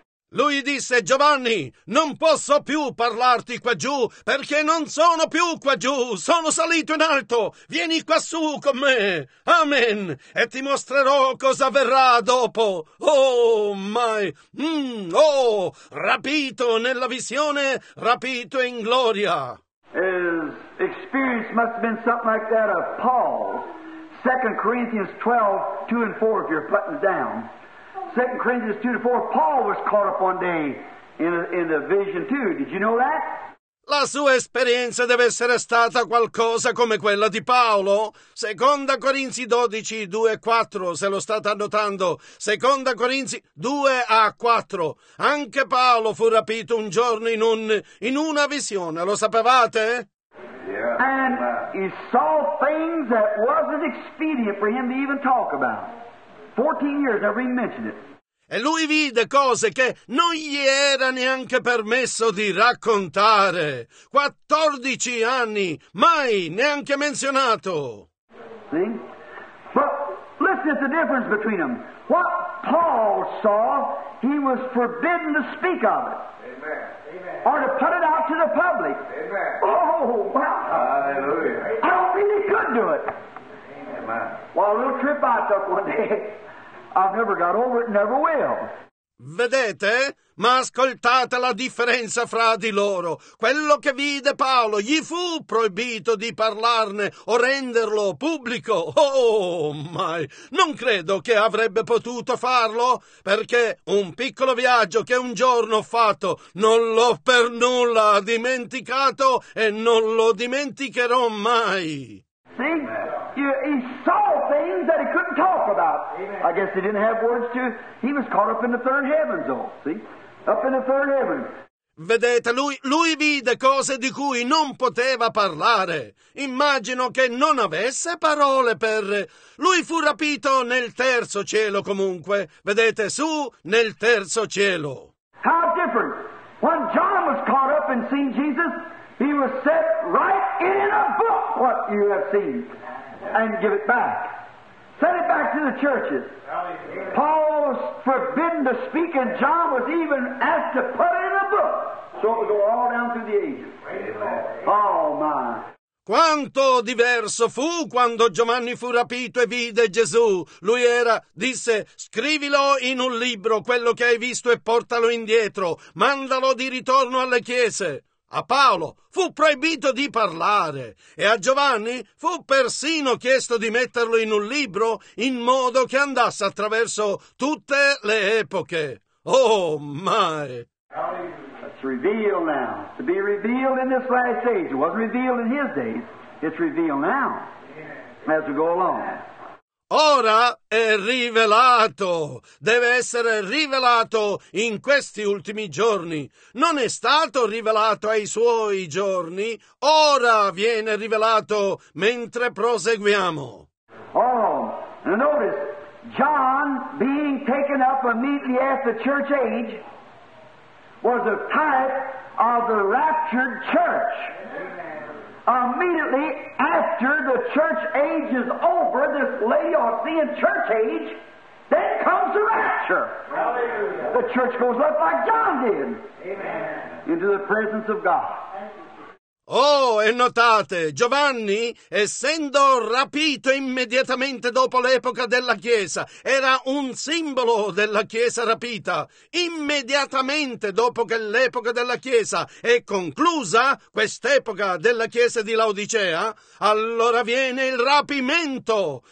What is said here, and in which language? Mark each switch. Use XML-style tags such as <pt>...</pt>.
<it>Lui disse, Giovanni, non posso più parlarti qua giù, perché non sono più qua giù, sono salito in alto, vieni quassù con me, amen, e ti mostrerò cosa avverrà dopo.</it> <en>Oh, my, oh,</en> <it>rapito nella visione, rapito in gloria.</it> <en>His experience must have been something like that of Paul. 2 Corinthians 12, 2 and 4, if you're putting it down. 2 Corinthians 2 and 4, Paul was caught up one day in a vision too. Did you know that?</en> <it>La sua esperienza deve essere stata qualcosa come quella di Paolo. 2 Corinzi 12, 2 e 4, se lo state annotando. 2 Corinzi 2 a 4. Anche Paolo fu rapito un giorno in una visione, lo sapevate?</it> <en>Yeah. And he saw things that wasn't expedient for him to even talk about. 14 years, never even mentioned it.</en> <it>E lui vide cose che non gli era neanche permesso di raccontare. 14 anni, mai neanche menzionato.</it> <en>See? But listen to the difference between them. What Paul saw, he was forbidden to speak of it. Or to put it out to the public. Amen. Oh, wow. Hallelujah. I don't think he could do it. Amen. Well, a little trip I took one day, I've never got over it, never will.</en> <it>Vedete? Ma ascoltate la differenza fra di loro. Quello che vide Paolo, gli fu proibito di parlarne o renderlo pubblico. Oh, mai. Non credo che avrebbe potuto farlo, perché un piccolo viaggio che un giorno ho fatto non l'ho per nulla dimenticato e non lo dimenticherò mai.</it> <en>See, he saw things that he couldn't talk about. Amen. I guess he didn't have words to. He was caught up in the third heavens, though. See, up in the third heavens.</en> <it>Vedete, lui vide cose di cui non poteva parlare. Immagino che non avesse parole per... Lui fu rapito nel terzo cielo, comunque. Vedete, su nel terzo cielo.</it> <en>How different. When John was caught up and seen Jesus... He was set right in a book what you have seen and give it back. Send it back to the churches. Paul was forbidden to speak and John was even asked to put it in a book. So it would go all down through the ages. Oh my.</en> <it>Quanto diverso fu quando Giovanni fu rapito e vide Gesù. Lui era, disse, scrivilo in un libro quello che hai visto e portalo indietro. Mandalo di ritorno alle chiese. A Paolo fu proibito di parlare e a Giovanni fu persino chiesto di metterlo in un libro in modo che andasse attraverso tutte le epoche.</it> <en>Oh, my! It's revealed now. To be revealed in this last age. It wasn't revealed in his days. It's revealed now. As we go along.</en> <it>Ora è rivelato, deve essere rivelato in questi ultimi giorni. Non è stato rivelato ai suoi giorni, ora viene rivelato mentre proseguiamo.</it> <en>Oh, notice, John being taken up immediately at the church age was a type of the raptured church. Immediately after the church age is over, this Laodicean church age, then comes the rapture. Hallelujah. The church goes up like John did. Amen. Into the presence of God.</en> <it>Oh, e notate, Giovanni, essendo rapito immediatamente dopo l'epoca della Chiesa, era un simbolo della Chiesa rapita. Immediatamente dopo che l'epoca della Chiesa è conclusa, quest'epoca della Chiesa di Laodicea, allora viene il rapimento.</it>